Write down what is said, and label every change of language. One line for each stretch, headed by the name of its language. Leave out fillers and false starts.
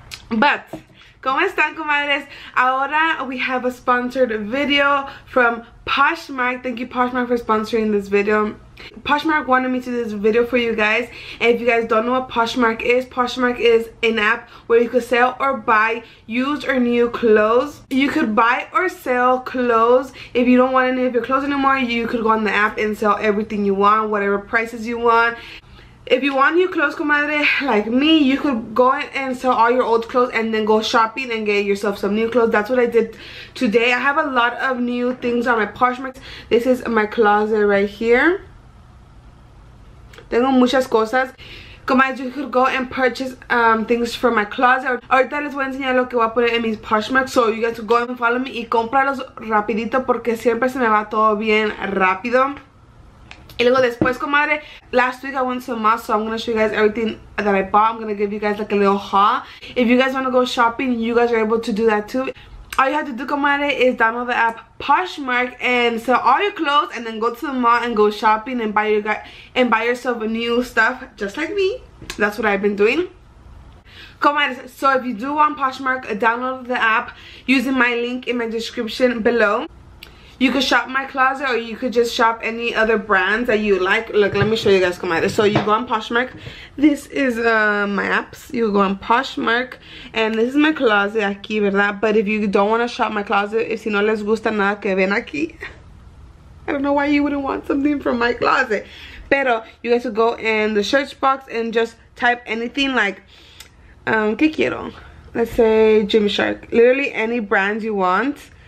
English: But,
Spanish: ¿cómo están, comadres? Ahora
English: we have a sponsored video from Poshmark. Thank you, Poshmark, for sponsoring this video. Poshmark wanted me to do this video for you guys, and if you guys don't know what Poshmark is an app where you could sell or buy used or new clothes. You could buy or sell clothes. If you don't want any of your clothes anymore, you could go on the app and sell everything you want, whatever prices you want. If you want new clothes, comadre, like me, you could go and sell all your old clothes and then go shopping and get yourself some new clothes. That's what I did today. I have a lot of new things on my Poshmark. This is my closet right here.
Spanish: Tengo muchas cosas.
English: Comadre, you could go and purchase things from my closet.
Spanish: Ahorita les voy a enseñar lo que voy a poner en mis Poshmark.
English: So you guys go and follow me
Spanish: y cómpralos rapidito porque siempre se me va todo bien rápido. Y luego después,
English: comadre, last week I went to the mall, so I'm going to show you guys everything that I bought. I'm going to give you guys like a little haul. If you guys want to go shopping, you guys are able to do that too. All you have to do, comadre, is download the app Poshmark and sell all your clothes and then go to the mall and go shopping and buy yourself new stuff just like me. That's what I've been doing. Comadres, so if you do want Poshmark, download the app using my link in my description below. You could shop my closet or you could just shop any other brands that you like. Look, let me show you guys, comadre. So you go on Poshmark. This is my apps. You go on Poshmark. And this is my closet
Spanish: aquí, ¿verdad?
English: But if you don't want to shop my closet, if
Spanish: si no les gusta nada que ven aquí,
English: I don't know why you wouldn't want something from my closet.
Spanish: Pero
English: you guys could go in the search box and just type anything like,
Spanish: ¿qué quiero?
English: Let's say Gymshark. Literally any brand you want.